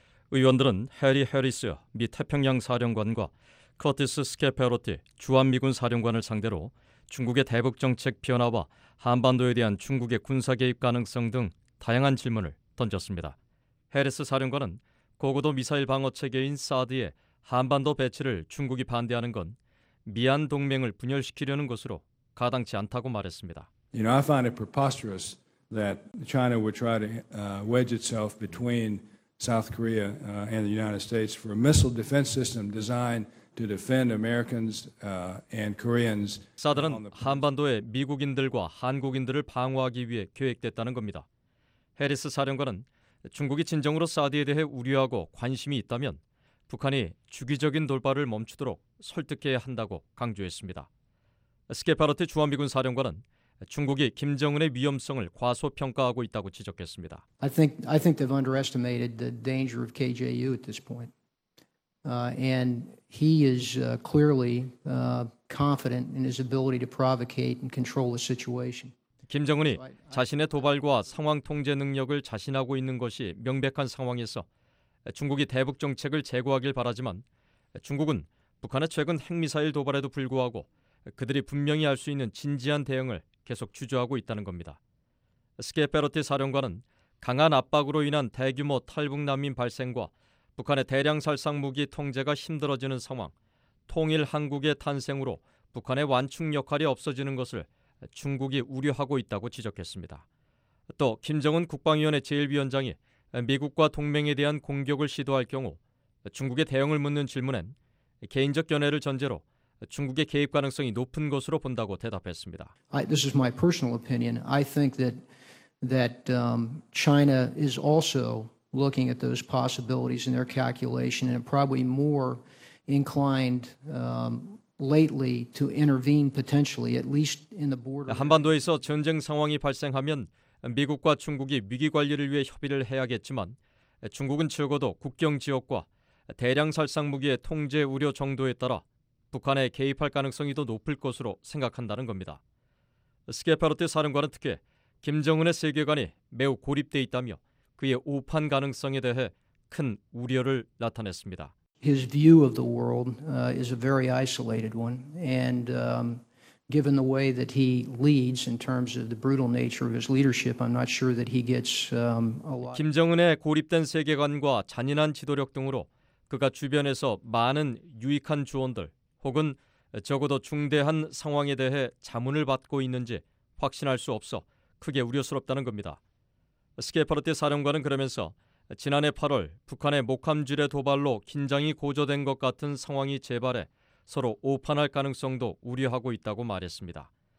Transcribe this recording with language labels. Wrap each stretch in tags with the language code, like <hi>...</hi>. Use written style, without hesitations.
<ko>의원들은 해리 해리스 미 태평양 사령관과 커티스 스케페로티 주한미군 사령관을 상대로 중국의 대북 정책 변화와 한반도에 대한 중국의 군사 개입 가능성 등 다양한 질문을 던졌습니다. 해리스 사령관은 고고도 미사일 방어 체계인 사드의 한반도 배치를 중국이 반대하는 건 미한 동맹을 분열시키려는 것으로 가당치 않다고 말했습니다.</ko> <en>You know, I find it preposterous that China would try to wedge itself between South Korea and the United States for a missile defense system designed to defend Americans and Koreans.</en> <ko>사드는 한반도에 미국인들과 한국인들을 방어하기 위해 계획됐다는 겁니다. 해리스 사령관은 중국이 진정으로 사드에 대해 우려하고 관심이 있다면 북한이 주기적인 돌발을 멈추도록 설득해야 한다고 강조했습니다. 스케파르트 주한미군 사령관은 중국이 김정은의 위험성을 과소평가하고 있다고 지적했습니다.</ko> <en>I think they've underestimated the danger of KJU at this point. And he is clearly confident in his ability to provocate and control the situation.</en> <ko>김정은이 자신의 도발과 상황 통제 능력을 자신하고 있는 것이 명백한 상황에서 중국이 대북 정책을 재고하길 바라지만 중국은 북한의 최근 핵미사일 도발에도 불구하고 그들이 분명히 할 수 있는 진지한 대응을 계속 주저하고 있다는 겁니다. 스케페로티 사령관은 강한 압박으로 인한 대규모 탈북난민 발생과 북한의 대량 살상 무기 통제가 힘들어지는 상황, 통일 한국의 탄생으로 북한의 완충 역할이 없어지는 것을 중국이 우려하고 있다고 지적했습니다. 또 김정은 국방위원회 제1위원장이 미국과 동맹에 대한 공격을 시도할 경우 중국의 대응을 묻는 질문엔 개인적 견해를 전제로 중국의 개입 가능성이 높은 것으로 본다고 대답했습니다.</ko> <en>This is my personal opinion. I think that China is also looking at those possibilities in their calculation and probably more inclined lately to intervene potentially at least in the border.</en> <ko>한반도에서 전쟁 상황이 발생하면 미국과 중국이 위기 관리를 위해 협의를 해야겠지만 중국은 적어도 국경 지역과 대량 살상 무기의 통제 우려 정도에 따라 북한에 개입할 가능성이 더 높을 것으로 생각한다는 겁니다. 스케파르트 사령관은 특히 김정은의 세계관이 매우 고립돼 있다며 그의 오판 가능성에 대해 큰 우려를 나타냈습니다.</ko> <en>His view of the world is a very isolated one, and given the way that he leads in terms of the brutal nature of his leadership, I'm not sure that he gets a lot.</en> <ko>김정은의 고립된 세계관과 잔인한 지도력 등으로 그가 주변에서 많은 유익한 조언들 혹은 적어도 중대한 상황에 대해 자문을 받고 있는지 확신할 수 없어 크게 우려스럽다는 겁니다. 스케파르티 사령관은 그러면서 지난해 8월 북한의 목함줄의 도발로 긴장이 고조된 것 같은 상황이 재발해 서로 오판할 가능성도 우려하고 있다고 말했습니다.</ko>